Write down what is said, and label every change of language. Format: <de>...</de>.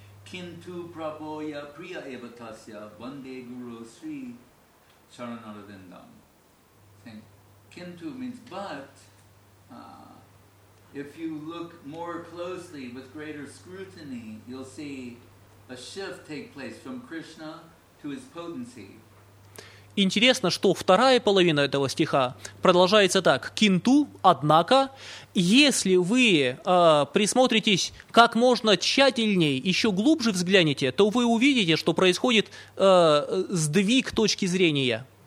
<sa>Кинту прабоя прия эватасья ванде гуру сри чаранаравиндам.</sa> <en>Кинту means but. If you look more closely with greater scrutiny, you'll see a shift take place from Krishna to his potency.</en> <ru>Интересно, что вторая половина этого стиха продолжается так. «Кинту, однако, если вы присмотритесь как можно тщательнее, еще глубже взглянете, то вы увидите, что происходит сдвиг точки зрения».</ru>